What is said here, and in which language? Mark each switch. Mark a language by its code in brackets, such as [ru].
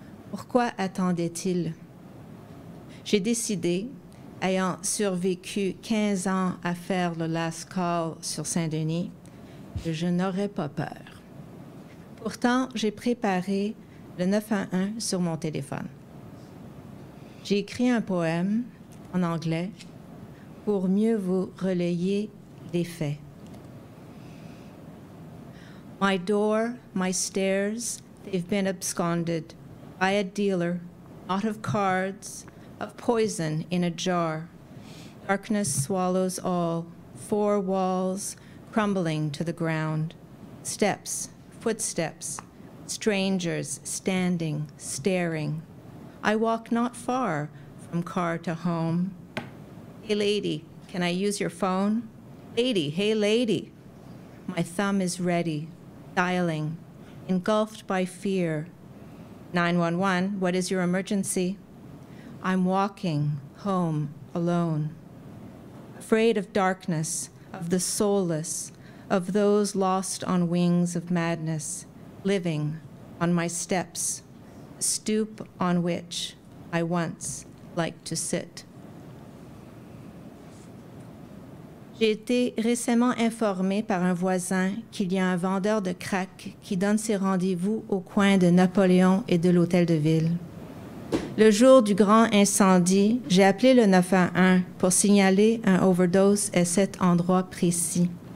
[fr] Pourquoi attendait-il? J'ai décidé, ayant survécu 15 ans à faire le last call sur Saint-Denis, que je n'aurais pas peur. Pourtant, j'ai préparé le 911 sur mon téléphone. J'ai écrit un poème en anglais pour mieux vous relayer les faits. [en] My door, my stairs, they've been absconded by a dealer, not of cards, of poison in a jar. Darkness swallows all, four walls crumbling to the ground. Steps, footsteps, strangers standing, staring. I walk not far from car to home. A lady Can I use your phone? Lady, hey lady. My thumb is ready, dialing, engulfed by fear. 911, what is your emergency? I'm walking home alone. Afraid of darkness, of the soulless, of those lost on wings of madness, living on my steps, stoop on which I once liked to sit. [fr] J'ai été récemment informée par un voisin qu'il y a un vendeur de crack qui donne ses rendez-vous au coin de Napoléon et de l'Hôtel de Ville. Le jour du grand incendie, j'ai appelé le 911 pour signaler un overdose à cet endroit précis.